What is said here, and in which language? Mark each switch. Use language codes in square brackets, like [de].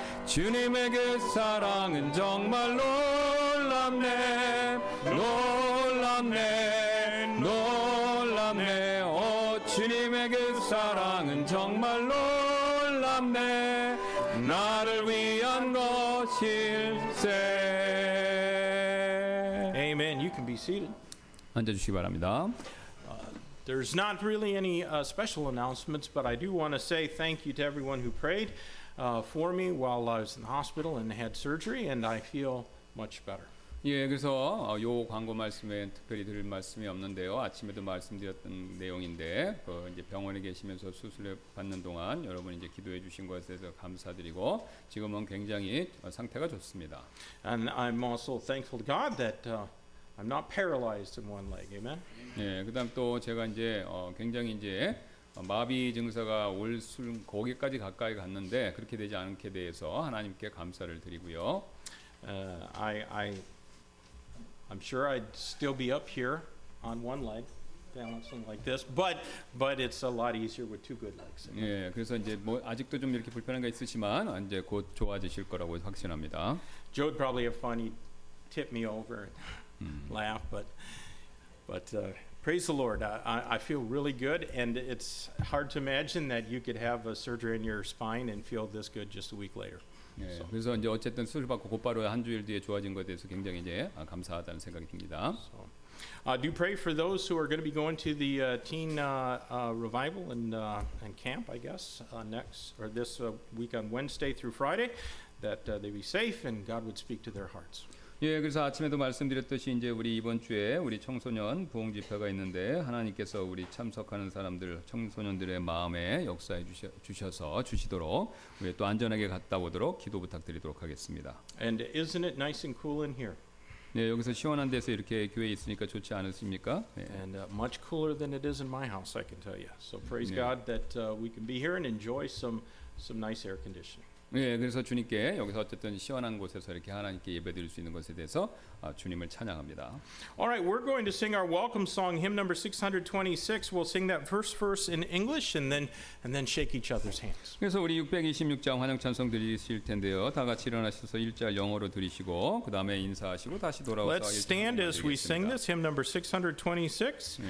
[ko] 주님의 그 사랑은 정말 놀랍네, 놀랍네, 놀랍네. 오, 주님의 그 사랑은 정말 놀랍네, 나를 위한 것일세. [en] Amen. You can be seated. [ko] 앉아주시기 바랍니다. [en] There's not really any special announcements, but I do want to say thank you to everyone who prayed for me while I was in the hospital and had surgery, and I feel much better. [ko] 예, 그래서 요 광고 말씀에 특별히 드릴 말씀이 없는데요. 아침에도 말씀드렸던 내용인데, 그 이제 병원에 계시면서 수술을 받는 동안 여러분 이제 기도해 주신 것에 대해서 감사드리고 지금은 굉장히 상태가 좋습니다. [en] And I'm also thankful to God that I'm not paralyzed in one leg. Amen. [ko] 예, 그다음 또 제가 이제 굉장히 이제 마비 증세가 올 수 거기까지 가까이 갔는데 그렇게 되지 않게 돼서 하나님께 감사를 드리고요. [en] I'm sure I'd still be up here on one leg, balancing like this. But it's a lot easier with two good legs. [ko] 예, 그래서 이제 뭐 아직도 좀 이렇게 불편한 게 있으시만 이제 곧 좋아지실 거라고 확신합니다. [en] Joe would probably have fun. He'd tip me over and laugh. But praise the Lord. I feel really good, and it's hard to imagine that you could have a surgery in your spine and feel this good just a week later. [ko] 예, 그래서 이제 어쨌든 수술 받고 곧바로 한 주일 뒤에 좋아진 것에 대해서 굉장히 이제 감사하다는 생각이 듭니다. [en] Do pray for those who are going to be going to the teen revival and camp, I guess, next or this week on Wednesday through Friday, that they be safe and God would speak to their hearts. [ko] 예, 그래서 아침에도 말씀드렸듯이 이제 우리 이번 주에 우리 청소년 부흥 집회가 있는데 하나님께서 우리 참석하는 사람들 청소년들의 마음에 역사해 주셔서 주시도록 우리 또 안전하게 갔다 오도록 기도 부탁드리도록 하겠습니다. [en] And isn't it nice and cool in here? [ko] 네, 여기서 시원한 데서 이렇게 교회 있으니까 좋지 않으십니까? 네. [en] And much cooler than it is in my house, I can tell you. So praise [ko] 네. [en] God that we can be here and enjoy some nice air conditioning. [ko] 예, 그래서 주님께 여기서 어쨌든 시원한 곳에서 이렇게 하나님께 예배드릴 수 있는 것에 대해서 주님을 찬양합니다. [en] All right, we're going to sing our welcome song, hymn number 626. We'll sing that first verse in English and then shake each other's hands. [ko] 그래서 우리 626장 환영 찬송 드리실 텐데요. 다 같이 일어나셔서 일절 영어로 드리시고 그다음에 인사하시고 다시 돌아오셔서 [en] Let's stand as we sing this hymn number 626.